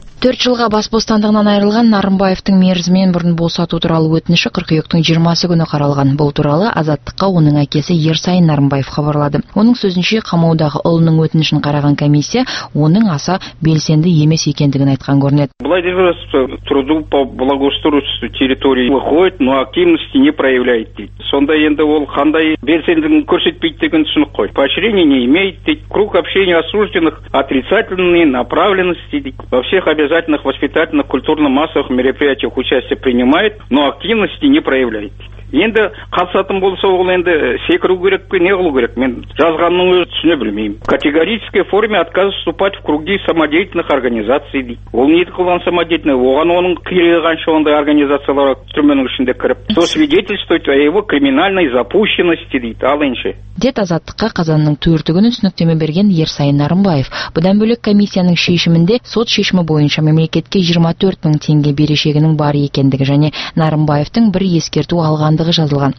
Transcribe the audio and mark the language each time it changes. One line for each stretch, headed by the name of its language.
Kazakh: 4 жылға бас бостандығынан айырылған Нарымбаевтың мерзімен бұрын босату туралы өтініші 42-тің 20-сы күні қаралған. Бұл туралы Азаттыққа оның әкесі Ерсайын Нарымбаев хабарлады. Оның сөзінше қамаудағы ұлының өтінішін қараған комиссия оның аса белсенді емес екендігін айтқан көрінеді.
Russian: Владимировство труду по благоустройству территории выходит, но активности не проявляет
Kazakh: дейді. Сонда енді ол қандай белсенділігін көрсетпейді деген түсінік қой.
Russian: Поощрения не имеет
Kazakh: дейді.
Russian: Круг общения осужденных отрицательные направленности
Kazakh: дейді.
Russian: Во всех обязательных воспитательных культурно-массовых мероприятиях участие принимает, но активности не проявляет.
Kazakh: Енді қатысатын болса, ол енді секіру керек пе, не қылу керек, мен жазғанның өзі түсіне білмеймін.
Russian: Категорической форме отказа вступать в круги самодеятельных организаций
Kazakh: дейді. Ол не қылған самодеятельный, оған оның керегі қанша ондай организацияларға түрменің ішінде кіріп,
Russian: со свидетельствует о его криминальной запущенности
Kazakh: дейді, ал енші. Дед Азаттыққа қазанның 4-ті күні түсініктеме берген Ерсайын Нарымбаев. Бұдан бөлек комиссияның шешімінде сот шешімі бойынша мемлекетке 24 мың теңге берешегінің бар екендігі және Нарымбаевтың бір ескерту алған жазылған.